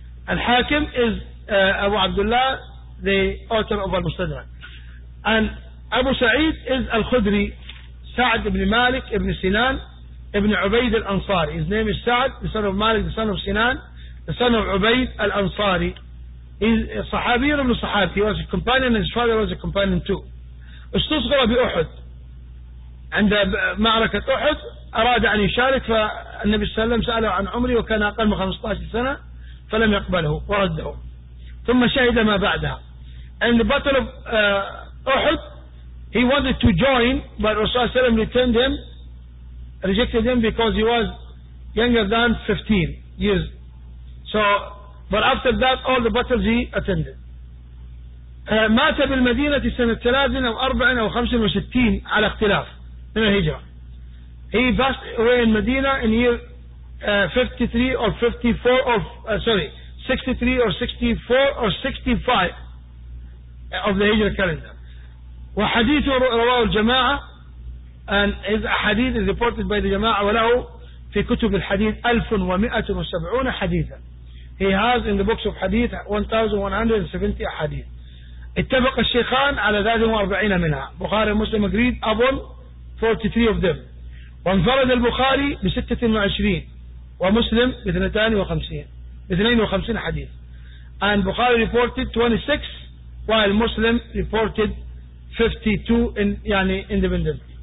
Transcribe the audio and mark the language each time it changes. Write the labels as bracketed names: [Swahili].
[Arabic] الحاكم [English] is [Arabic] أبو عبد الله the author of المستدرك. [English] And أبو سعيد is الخدري سعد بن مالك بن سنان بن عبيد الأنصاري. His name is سعد the son of مالك the son of سنان the son of عبيد الأنصاري. [Arabic] He's صحابي من الصحابة. [English] He was a companion and his father was a companion too. [Arabic] استصغر بأحد عند معركة أحد أراد أن يشارك فالنبي صلى الله عليه وسلم سأله عن عمري وكان أقل من 15 سنة فلم يقبله ورده ثم شهد ما بعدها. [English] And the battle of Uhud he wanted to join but Rasulullah [Arabic] صلى الله عليه وسلم [English] returned him, rejected him because he was younger than 15 years. So but after that all the battles he attended. [Arabic] مات بالمدينة سنة 63 أو 65 على اختلاف من الهجرة. [English] He passed away in Medina in year 53 or 54 of 63 or 64 or 65 of the Hijra calendar. [Arabic] وحديثه رواه الجماعة [English] and his hadith is reported by the [Arabic] جماعة وله في كتب الحديث 1170 حديثا. [English] He has in the books of hadith 1170 حديث. [Arabic] اتفق الشيخان على 43 منها. [English] بخاري مسلم agreed upon 43 of them. [Arabic] وانفرد البخاري ب26 ومسلم ب52 حديث. [English] And Bukhari reported 26 while Muslim reported 52 in يعني independent.